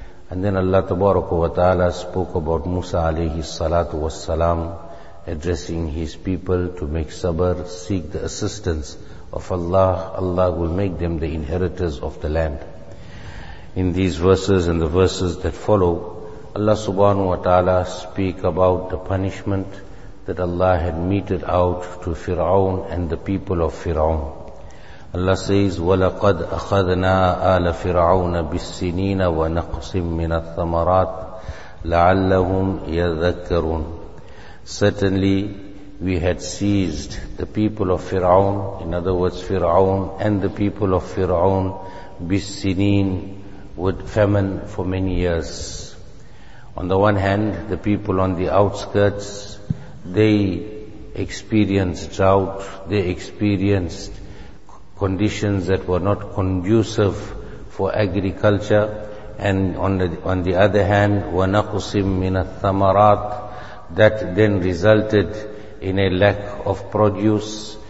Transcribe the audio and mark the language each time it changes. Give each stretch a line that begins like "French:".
English: And then Allah Tabaraka wa Ta'ala spoke about Musa alayhi salatu wa salam addressing his people to make sabr, seek the assistance of Allah. Allah will make them the inheritors of the land. In these verses and the verses that follow, Allah subhanahu wa ta'ala speak about the punishment that Allah had meted out to Fir'aun and the people of Fir'aun. Allah says,
Arabic: وَلَقَدْ أَخَذْنَا آلَ فِرْعَوْنَ بِالسِّنِينَ وَنَقْسِمْ مِنَ الثَّمَرَاتِ لَعَلَّهُمْ يَذَكَّرُونَ.
English: Certainly, we had seized the people of Fir'aun, in other words, Fir'aun and the people of Fir'aun, bisinin, with famine for many years. On the one hand, the people on the outskirts, they experienced drought, they experienced conditions that were not conducive for agriculture, and on the other hand,
Arabic: وَنَقُسِمْ مِنَ الثَّمَرَاتِ,
English: that then resulted in a lack of produce.